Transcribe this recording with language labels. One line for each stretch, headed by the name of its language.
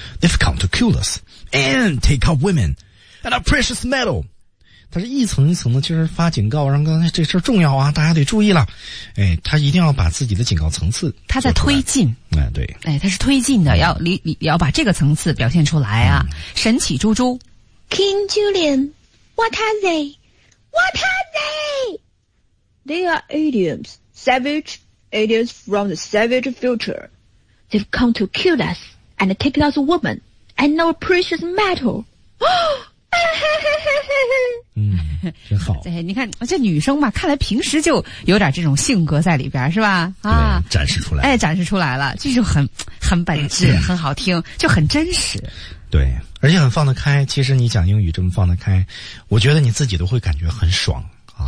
English: They've come to kill us and take our women and our precious metal.
Chinese: 他是一层一层的就是发警告，让刚才这事重要啊，大家得注意了。哎，他一定要把自己的警告层次。他在推进。哎，对。哎，他是推进的，要把这个层次表现出来啊。神奇猪猪。
English: King Julian. What are they? What are they? They are aliens, savage aliens from the savage future. They've come to kill us and take us women and our precious metal.
Chinese: 真好。对，你看这女生嘛，看来平时就有点这种性格在里边，是吧？啊，展示出来了。哎，展示出来了，这就很本质，很好听，就很真实。对，而且很放得开。其实你讲英语这么放得开，我觉得你自己都会感觉很爽啊，